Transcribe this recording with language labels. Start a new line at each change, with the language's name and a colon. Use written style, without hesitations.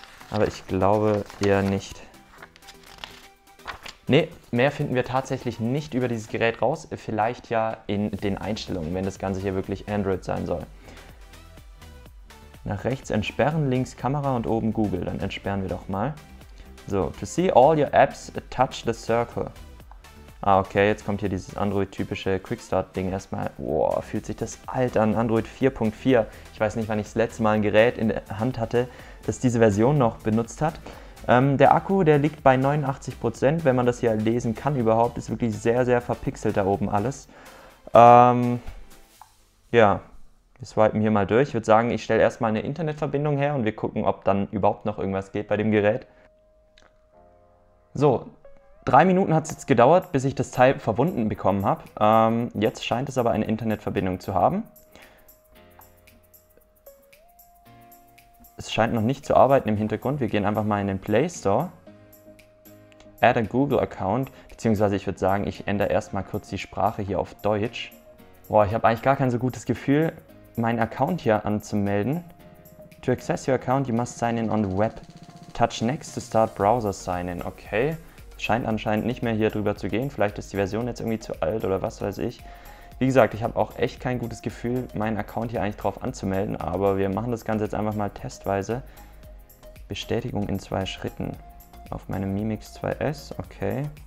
German: Aber ich glaube eher nicht. Nee, mehr finden wir tatsächlich nicht über dieses Gerät raus. Vielleicht ja in den Einstellungen, wenn das Ganze hier wirklich Android sein soll. Nach rechts entsperren, links Kamera und oben Google. Dann entsperren wir doch mal.
English: So, to see all your apps, touch the circle.
German: Ah, okay, jetzt kommt hier dieses Android-typische Quick-Start-Ding erstmal. Boah, fühlt sich das alt an, Android 4.4. Ich weiß nicht, wann ich das letzte Mal ein Gerät in der Hand hatte, das diese Version noch benutzt hat. Der Akku, der liegt bei 89%, wenn man das hier lesen kann überhaupt, ist wirklich sehr, sehr verpixelt da oben alles. Ja, wir swipen hier mal durch. Ich würde sagen, ich stelle erstmal eine Internetverbindung her und wir gucken, ob dann überhaupt noch irgendwas geht bei dem Gerät. So, 3 Minuten hat es jetzt gedauert, bis ich das Teil verwunden bekommen habe. Jetzt scheint es aber eine Internetverbindung zu haben. Es scheint noch nicht zu arbeiten im Hintergrund. Wir gehen einfach mal in den Play Store.
English: Add a Google Account.
German: Beziehungsweise ich würde sagen, ich ändere erstmal kurz die Sprache hier auf Deutsch. Boah, ich habe eigentlich gar kein so gutes Gefühl, meinen Account hier anzumelden.
English: To access your account, you must sign in on the web. Touch next to start browser sign in.
German: Okay, scheint anscheinend nicht mehr hier drüber zu gehen. Vielleicht ist die Version jetzt irgendwie zu alt oder was weiß ich. Wie gesagt, ich habe auch echt kein gutes Gefühl, meinen Account hier eigentlich drauf anzumelden, aber wir machen das Ganze jetzt einfach mal testweise. Bestätigung in 2 Schritten. Auf meinem Mi Mix 2S, okay.